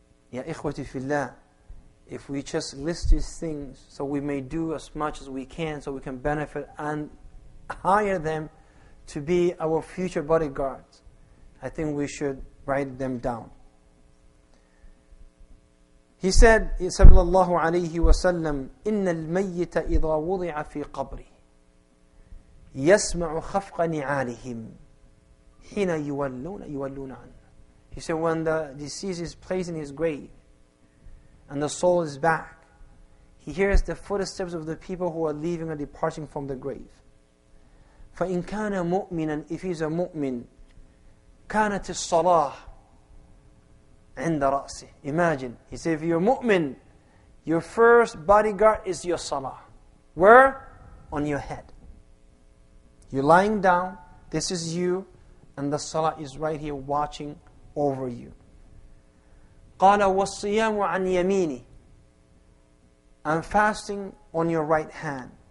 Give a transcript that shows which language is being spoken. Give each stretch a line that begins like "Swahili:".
Arabic: Ya ikhwati fillah.
English: If we just list these things so we may do as much as we can so we can benefit and hire them to be our future bodyguards, I think we should write them down. He said,
Arabic: sallallahu alayhi wa sallam, إِنَّ الْمَيِّتَ إِذَا وُضِعَ فِي قَبْرِهِ يَسْمَعُ خَفْقَ نِعَالِهِمْ حِنَ يُوَلُّونَ عَنْهُ.
English: He said, when the deceased is placed in his grave, and the soul is back, he hears the footsteps of the people who are leaving and departing from the grave.
Arabic: فَإِنْ كَانَ مُؤْمِنًا,
English: if he's a mu'min,
Arabic: كَانَتِ الصَّلَاةِ عِنْدَ رَأْسِهِ.
English: Imagine, he said, if you're a mu'min, your first bodyguard is your salah. Where? On your head. You're lying down, this is you, and the salah is right here watching over you.
Arabic: قَالَ وَالصِّيَامُ عَنْ يَمِينِ,
English: I'm fasting on your right hand.